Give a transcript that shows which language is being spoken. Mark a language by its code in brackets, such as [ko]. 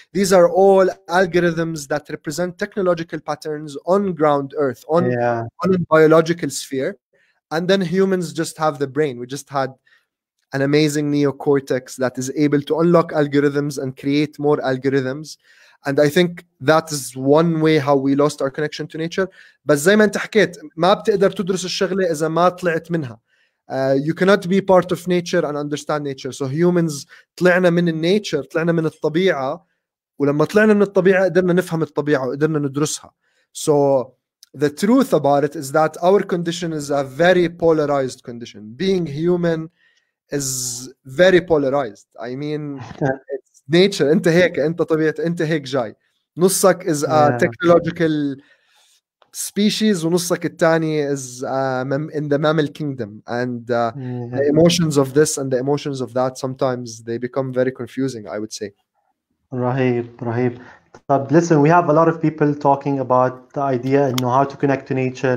[en] These are all algorithms that represent technological patterns on ground Earth, on a biological sphere. And then humans just have the brain. We just had an amazing neocortex that is able to unlock algorithms and create more algorithms. And I think that is one way how we lost our connection to nature. But [ar] زي ما انت حكيت, ما بتقدر تدرس الشغلة إذا ما طلعت منها. [en] You cannot be part of nature and understand nature. So humans [ar] طلعنا من النيتشر, طلعنا من الطبيعة, ولما طلعنا من الطبيعة قدرنا نفهم الطبيعة وقدرنا ندرسها. [en] So the truth about it is that our condition is a very polarized condition. Being human is very polarized. I mean, it's nature. [ar] انت هيك, انت طبيعة, انت هيك جاي. نصك [en] is a technological species, [ar] ونصك التاني [en] is in the mammal kingdom, and the emotions of this and the emotions of that, sometimes they become very confusing, I would say. Rahib. Listen, we have a lot of people talking about the idea and how to connect to nature.